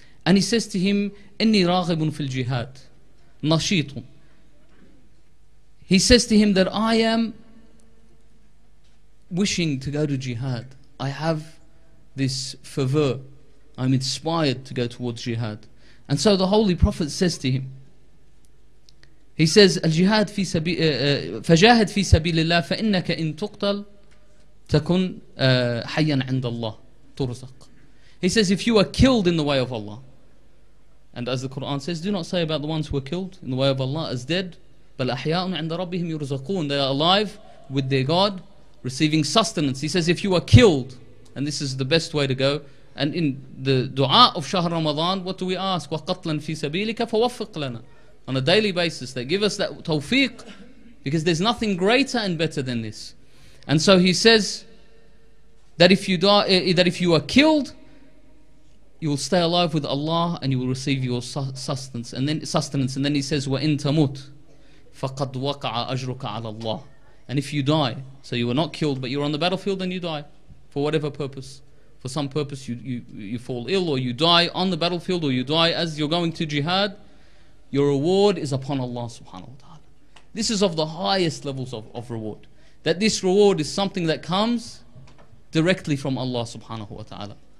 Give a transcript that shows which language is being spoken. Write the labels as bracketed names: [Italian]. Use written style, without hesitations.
[English] And he says to him, [Arabic] إِنِّي رَاغِبٌ فِي الْجِهَادِ نَشِيطٌ. [English] He says to him that I am wishing to go to jihad. I have this fervor. I'm inspired to go towards jihad. And so the Holy Prophet says to him, he says, [Arabic] الجهاد في سبيل, فجاهد في سبيل الله فإنك إن تقتل تكون حيا عند الله ترزق. [English] He says, if you are killed in the way of Allah, and as the Quran says, do not say about the ones who are killed in the way of Allah as dead, [Arabic] بل أحياء عند ربهم يرزقون. [English] They are alive with their God, receiving sustenance. He says, if you are killed, and this is the best way to go, and in the dua of Shahr Ramadan, what do we ask? [Arabic] وَقَتْلًا فِي سَبِيلِكَ فَوَفِّقْ لَنَا. [English] On a daily basis, they give us that tawfiq, because there's nothing greater and better than this. And so he says that if you die, that if you are killed, you will stay alive with Allah and you will receive your sustenance. And then he says, [Arabic] وَإِنْ تَمُوتْ فَقَدْ وَقَعَ أَجْرُكَ عَلَى اللَّهِ. [English] And if you die, so you were not killed, but you're on the battlefield and you die for whatever purpose. For some purpose you fall ill, or you die on the battlefield, or you die as you're going to jihad, your reward is upon Allah subhanahu wa ta'ala. This is of the highest levels of reward. That this reward is something that comes directly from Allah subhanahu wa ta'ala.